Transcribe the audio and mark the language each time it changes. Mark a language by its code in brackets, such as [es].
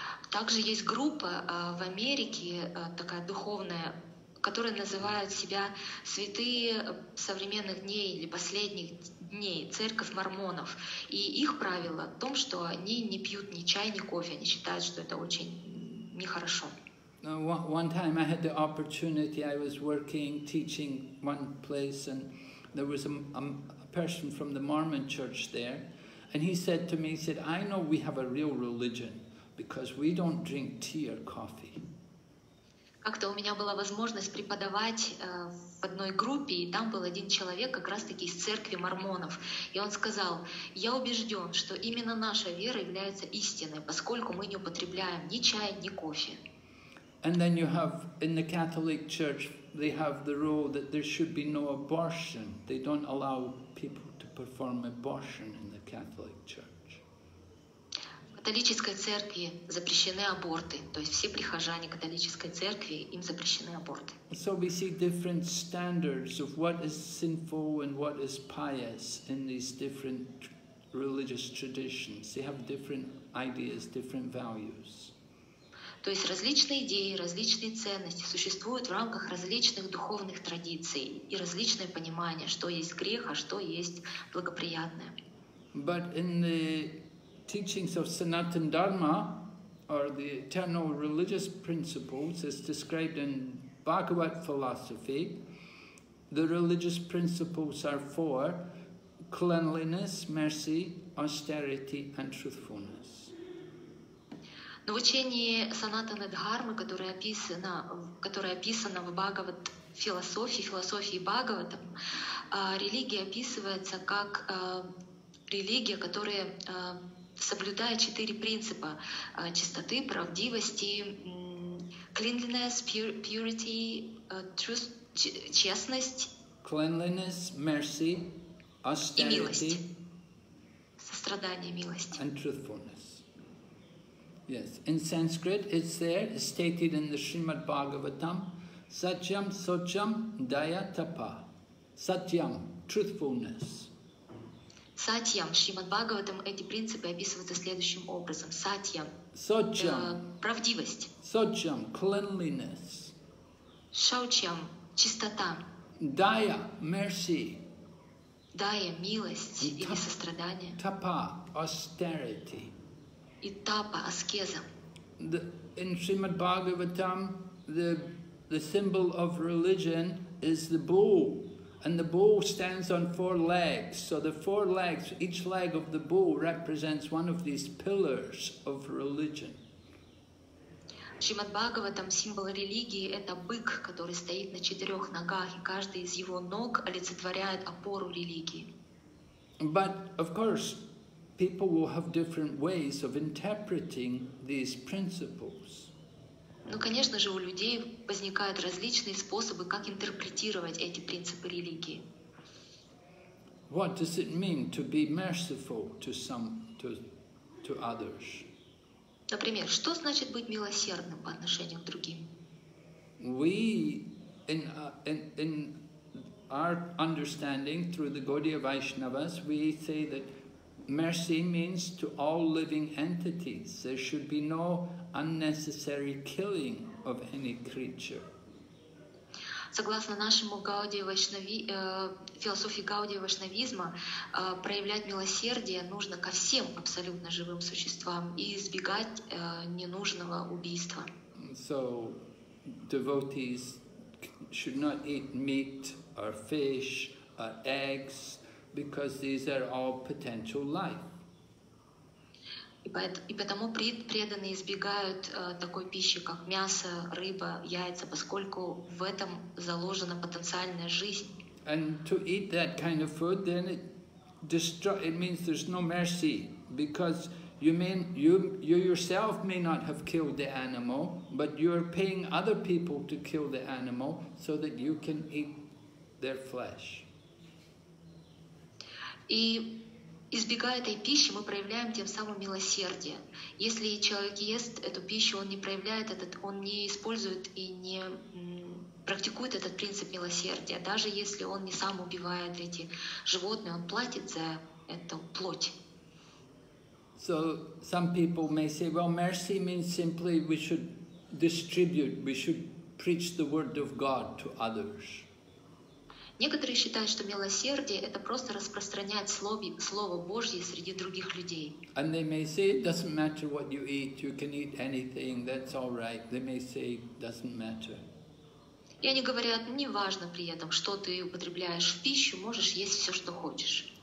[ru] Также есть группа в Америке, такая духовная, которые называют себя святые современных дней или последних дней, церковь мормонов. И их правило в том, что они не пьют ни чай, ни кофе. Они считают, что это очень нехорошо. [en] One time I had the opportunity, I was working, teaching one place, and there was a person from the Mormon church there, and he said to me, he said, I know we have a real religion, because we don't drink tea or coffee. [ru] Как-то у меня была возможность преподавать в одной группе, и там был один человек как раз-таки из церкви мормонов. И он сказал, я убежден, что именно наша вера является истиной, поскольку мы не употребляем ни чай, ни кофе. [en] And then you have, in the Catholic Church, they have the rule that there should be no abortion. They don't allow people to perform abortion in the Catholic Church. [ru] В католической церкви запрещены аборты, то есть все прихожане католической церкви, им запрещены аборты. [en] So we see different standards of what is sinful and what is pious in these different religious traditions. They have different ideas, different values. [ru] То есть различные идеи, различные ценности существуют в рамках различных духовных традиций и различное понимание, что есть грех, а что есть благоприятное. [en] But in the teachings of Sanatan Dharma, or the eternal religious principles, as described in Bhagavad philosophy, the religious principles are four: cleanliness, mercy, austerity, and truthfulness. [ru] В учении Санатаны Дхармы, которое описано в Бхагавад философии Бхагаватам, религия описывается как религия, которая соблюдая четыре принципа чистоты, правдивости, [en] cleanliness, purity, [ru] честность, [en] cleanliness, mercy, austerity, [ru] и милость, сострадание, милость, [en] and truthfulness. Yes, in Sanskrit it's there, it's stated in the Srimad Bhagavatam, satyam, socham, daya, tapa, satyam, truthfulness. [ru] Сатьям, Шримад Бхагаватам, эти принципы описываются следующим образом. Сатьям, правдивость. [en] Сочам, cleanliness. [ru] Шаучам, чистота. [en] Дая, mercy. [ru] Дая, милость или сострадание. [en] Тапа, austerity. [ru] И тапа, аскеза. [en] In Шримад Бхагаватам, the symbol of religion is the bull. And the bull stands on four legs, so the four legs, each leg of the bull represents one of these pillars of religion. [ru] Шримад Бхагаватам символ религии – это бык, который стоит на четырех ногах, и каждый из его ног олицетворяет опору религии. [en] But, of course, people will have different ways of interpreting these principles. [ru] Ну, конечно же, у людей возникают различные способы, как интерпретировать эти принципы религии. [en] What does it mean to be merciful to some, to others? [ru] Например, что значит быть милосердным по отношению к другим? [en] We, in our understanding through the Gaudiya Vaishnavas, we say that mercy means to all living entities. There should be no unnecessary killing of any creature. [ru] Согласно нашему философии Гаудия Вайшнавизма, проявлять милосердие нужно ко всем абсолютно живым существам и избегать ненужного убийства. [en] So devotees should not eat meat or fish or eggs because these are all potential life. [ru] И потому преданные избегают такой пищи, как мясо, рыба, яйца, поскольку в этом заложена потенциальная жизнь. [en] And to eat that kind of food, then it destroys. It means there's no mercy, because you yourself may not have killed the animal, but you're paying other people to kill the animal so that you can eat their flesh. [ru] И избегая этой пищи, мы проявляем тем самым милосердие. Если человек ест эту пищу, он не проявляет этот, он не использует и не практикует этот принцип милосердия, даже если он не сам убивает эти животные, он платит за эту плоть. [en] So some people may say, well, mercy means simply we should distribute, we should preach the word of God to others. [ru] Некоторые считают, что милосердие — это просто распространять слово Божье среди других людей. [en] And they may say it doesn't matter what you eat, you can eat anything, that's all right. They may say it doesn't matter. [ru] И они говорят, не важно при этом, что ты употребляешь в пищу, можешь есть все, что хочешь.